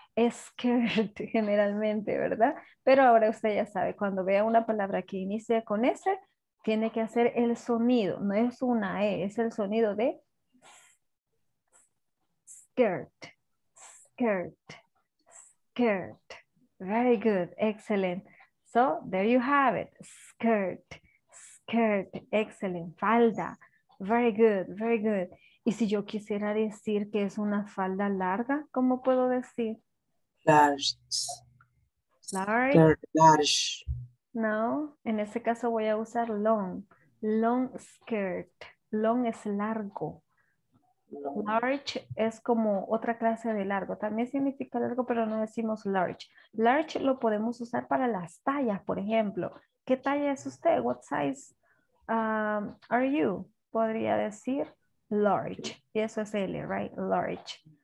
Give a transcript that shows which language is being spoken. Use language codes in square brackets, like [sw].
[es] Es skirt, generalmente, ¿verdad? Pero ahora usted ya sabe, cuando vea una palabra que inicia con S, tiene que hacer el sonido, no es una E, es el sonido de skirt, skirt, skirt. [en] Very good, excellent. So, there you have it, skirt, skirt, excellent. Falda, very good, very good. [es] Y si yo quisiera decir que es una falda larga, ¿cómo puedo decir? [en] Large. [es] No, en ese caso voy a usar long, long skirt, long es largo, large es como otra clase de largo, también significa largo pero no decimos large, large lo podemos usar para las tallas, por ejemplo, ¿qué talla es usted? [en] What size are you? [es] Podría decir large. Eso es L, right? Large.